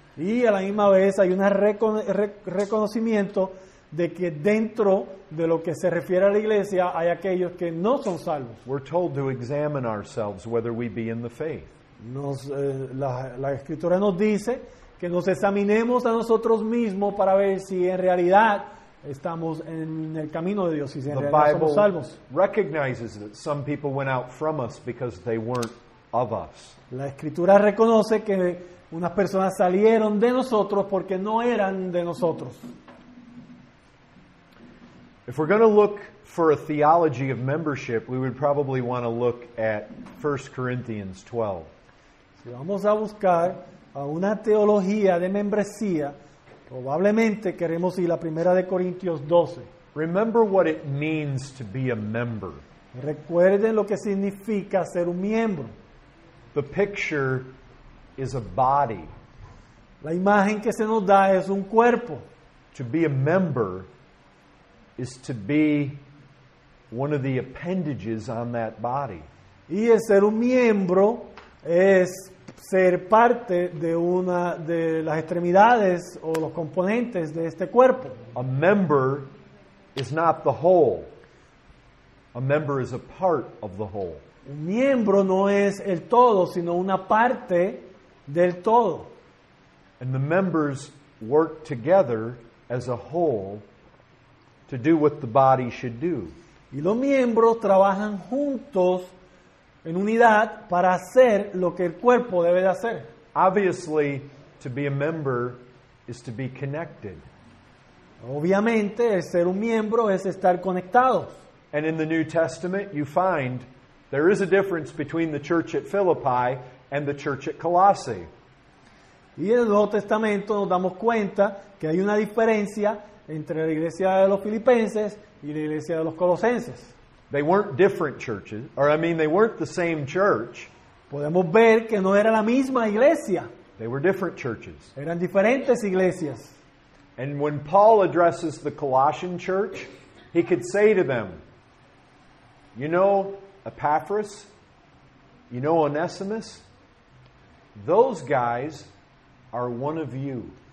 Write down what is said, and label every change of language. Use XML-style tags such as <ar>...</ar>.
<es>Y a la misma vez hay un reconocimiento de que dentro de lo que se refiere a la iglesia hay aquellos que no son salvos.</es> <en>We're told to examine ourselves whether we be in the faith.</en> <es>La escritura nos dice que nos examinemos a nosotros mismos para ver si en realidad estamos en el camino de Dios y si en realidad somos salvos.</es> <en>The Bible recognizes that some people went out from us because they weren't of us.</en> <es>La escritura reconoce que unas personas salieron de nosotros porque no eran de nosotros.</es> <en>If we're going to look for a theology of membership, we would probably want to look at 1 Corinthians 12.</en> <es>Si vamos a buscar a una teología de membresía, probablemente queremos ir a 1 Corintios 12.</es> <en>Remember what it means to be a member.</en> <es>Recuerden lo que significa ser un miembro.</es> <en>The picture is a body.</en> <es>La imagen que se nos da es un cuerpo.</es> <en>To be a member is to be one of the appendages on that body.</en> <es>Y el ser un miembro es ser parte de una de las extremidades o los componentes de este cuerpo.</es> <en>A member is not the whole. A member is a part of the whole.</en> <es>Un miembro no es el todo, sino una parte del todo.</es> <en>And the members work together as a whole to do what the body should do.</en> <es>Y los miembros trabajan juntos en unidad para hacer lo que el cuerpo debe de hacer.</es> <en>Obviously, to be a member is to be connected.</en> <es>Obviamente, el ser un miembro es estar conectado.</es> <en>And in the New Testament, you find there is a difference between the church at Philippi and the church at Colossae.</en> <es>Y en el Nuevo Testamento nos damos cuenta que hay una diferencia entre la iglesia de los filipenses y la iglesia de los colosenses.</es> <en>They weren't different churches, they weren't the same church.</en> <es>Podemos ver que no era la misma iglesia.</es> <en>They were different churches.</en> <es>Eran diferentes iglesias.</es> <en>And when Paul addresses the Colossian church, he could say to them, you know Epaphras, you know Onesimus, those guys are one of you.</en>